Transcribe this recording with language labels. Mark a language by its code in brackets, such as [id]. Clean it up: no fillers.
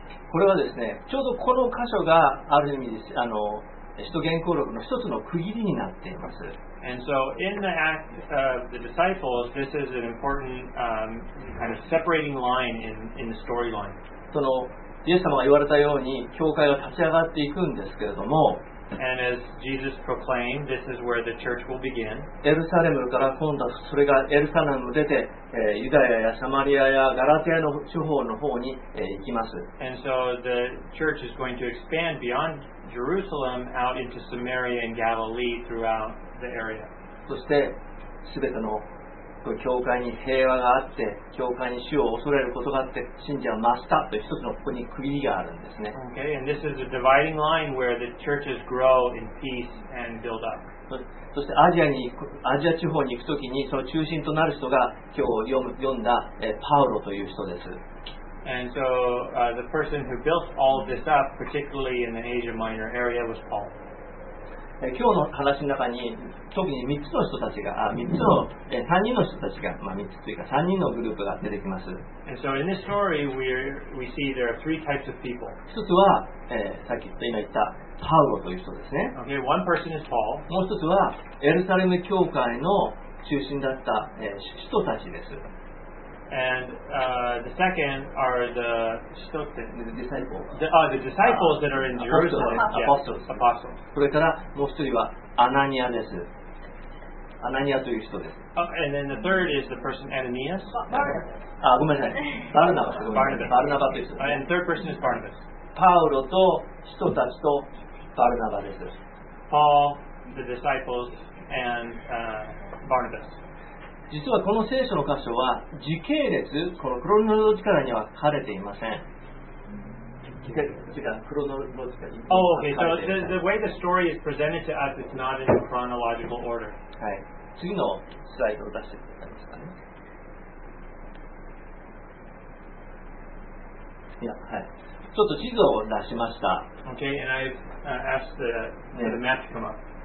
[ja] これはですね、ちょうどこの箇所がある意味あの使徒言行録の一つの区切りになっています。 [en] And so in the act of the disciples, this is an important kind of separating line in the storyline. [ja] そのイエス様が言われたように教会が立ち上がっていくんですけれども、 [en] And as Jesus proclaimed, this is where the church will begin. [ja] エルサレムから今度はそれがエルサレムを出て、ユダヤやサマリアやガラテヤの地方の方に、行きます。 [en] And so the church is going to expand beyond Jerusalem out into Samaria and Galilee throughout the area. [ja] そして全ての教会に平和があって、教会に主を恐れることがあって、信者は増したという一つのここに区切りがあるんですね。 [en] Okay, and this is a dividing line where the churches grow in peace and build up. [ja] そしてアジアに、アジア地方に行くときに、その中心となる人が今日読んだパウロという人です。 [en] And so, the person who built all of this up, particularly in the Asia Minor area, was Paul. [ja] 今日の話の中に特に3つの人たちが、3つの、3人の人たちが、まあ、3つというか3人のグループが出てきます。 [en] And so in this story, we see there are three types of people. [ja] 1つは、さっき今言ったパウロという人ですね。 [en] Okay, one person is Paul. [ja] もう1つはエルサレム教会の中心だった、人たちです。 [en] And the second are the disciples. The disciples that are in Jerusalem. Apostles. Apostles. [ja] それからもう一人はアナニアです。アナニアという人です。 [en] And then the third is the person Ananias. [ja] Barnabas. ごめんなさい。バルナバス。 [en] Barnabas. [ja] Barnabas です。 [en] And third person is Barnabas. [ja] パウロと人たちとバルナバです。 [en] Paul, the disciples, and Barnabas. [ja] 実はこの聖書の箇所は時系列、このクロノロジカルには書かれていません。クロノロジカルには書かれていません。 [en] So the way the story is presented to us, it's not in a chronological order. [ja] はい。次のスライドを出してくださいますかね。いや、はい。ちょっと地図を出しました。 [en] Okay, and I've asked the map to come up.